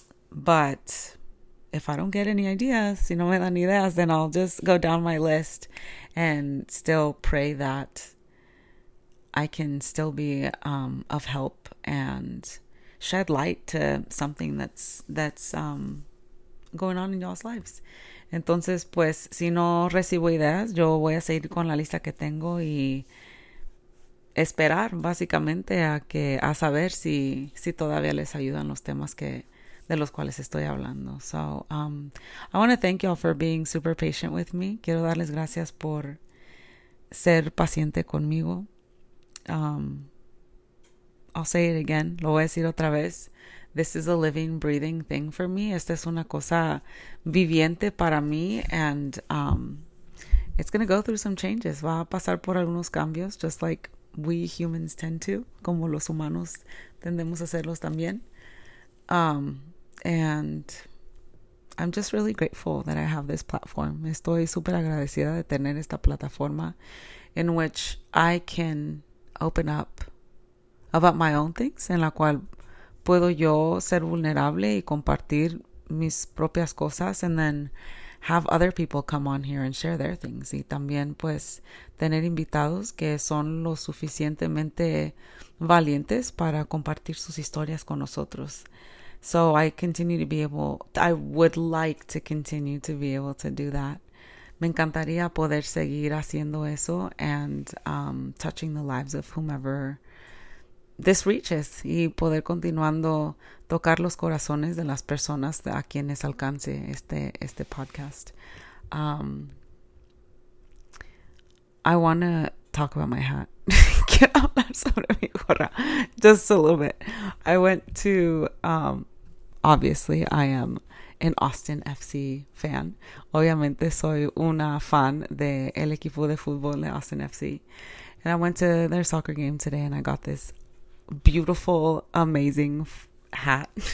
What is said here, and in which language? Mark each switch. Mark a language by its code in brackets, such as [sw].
[en] But if I don't get any ideas, [es] si no me dan ideas, [en] then I'll just go down my list and still pray that I can still be of help and shed light to something that's going on in y'all's lives. [es] Entonces, pues, si no recibo ideas, yo voy a seguir con la lista que tengo y esperar básicamente a saber si todavía les ayudan los temas que de los cuales estoy hablando. [en] So, I want to thank y'all for being super patient with me. [es] Quiero darles gracias por ser paciente conmigo. [en] I'll say it again. [es] Lo voy a decir otra vez. [en] This is a living, breathing thing for me. [es] Esta es una cosa viviente para mí. [en] And it's going to go through some changes. [es] Va a pasar por algunos cambios, [en] just like we humans tend to. [es] Como los humanos tendemos a hacerlos también. [en] And I'm just really grateful that I have this platform. [es] Estoy super agradecida de tener esta plataforma [en] in which I can open up about my own things, [es] en la cual puedo yo ser vulnerable y compartir mis propias cosas, [en] and then have other people come on here and share their things. [es] Y también, pues, tener invitados que son lo suficientemente valientes para compartir sus historias con nosotros. [en] So I continue to be able, I would like to continue to be able to do that. [es] Me encantaría poder seguir haciendo eso [en] and touching the lives of whomever this reaches, [es] y poder continuando tocar los corazones de las personas a quienes alcance este podcast. [en] I want to talk about my hat. [es] Quiero hablar sobre mi gorra. [en] Just a little bit. I went to, obviously, I am an Austin FC fan. [es] Obviamente, soy una fan de el equipo de fútbol de Austin FC. [en] And I went to their soccer game today and I got this beautiful, amazing hat.